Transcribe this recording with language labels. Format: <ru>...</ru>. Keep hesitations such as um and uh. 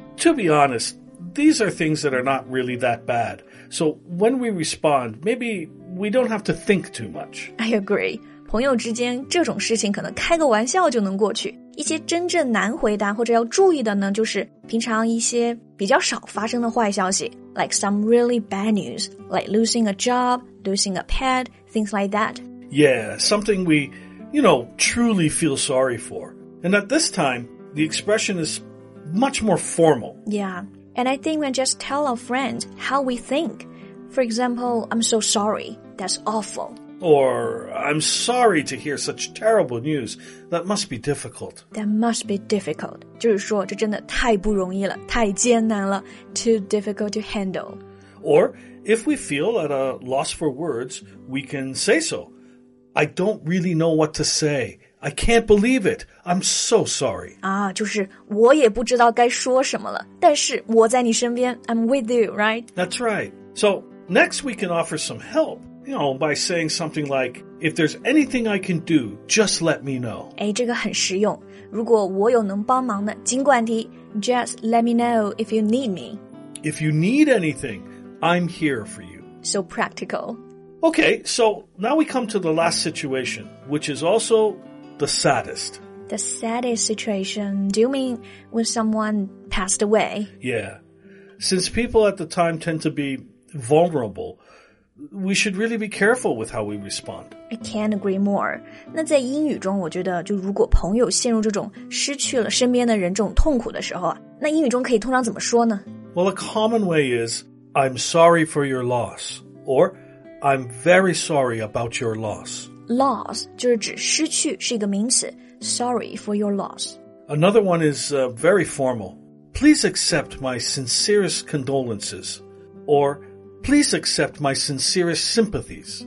<en>To be honest, these are things that are not really that bad. So when we respond, maybe we don't have to think too much. I agree.</en> <zh>朋友之间这种事情可能开个玩笑就能过去。一些真正难回答或者要注意的呢，就是平常一些比较少发生的坏消息，</zh> <en>like some really bad news, like losing a job, losing a pet, things like that. Yeah, something we, you know, truly feel sorry for. And at this time, the expression is much more formal. Yeah, and I think we just tell our friends how we think. For example, I'm so sorry. That's awful. Or, I'm sorry to hear such terrible news. That must be difficult. That must be difficult.</en> <zh>就是说,这真的太不容易了,太艰难了,</zh> <en>too difficult to handle. Or, if we feel at a loss for words, we can say so. I don't really know what to say. I can't believe it. I'm so sorry.</en> <zh>啊,就是我也不知道该说什么了,但是我在你身边,</zh> <en>ah, I'm with you, right? That's right. So, next we can offer some help, you know, by saying something like, if there's anything I can do, just let me know. Hey,</en> <zh>如果我有能帮忙的,尽管题,</zh> <en>just let me know if you need me. If you need anything, I'm here for you. So practical. Okay, so now we come to the last situation, which is also the saddest. The saddest situation. Do you mean when someone passed away? Yeah. Since people at the time tend to be vulnerable, we should really be careful with how we respond. I can't agree more.</en> <zh>那在英语中，我觉得就如果朋友陷入这种失去了身边的人这种痛苦的时候啊，那英语中可以通常怎么说呢</zh> <en>？Well, a common way is I'm sorry for your loss, or I'm very sorry about your loss</en> <zh>loss 就是指失去，是一个名词。</zh> <en>Sorry for your loss. Another one is uh, very formal. Please accept my sincerest condolences, or please accept my sincerest sympathies.</en>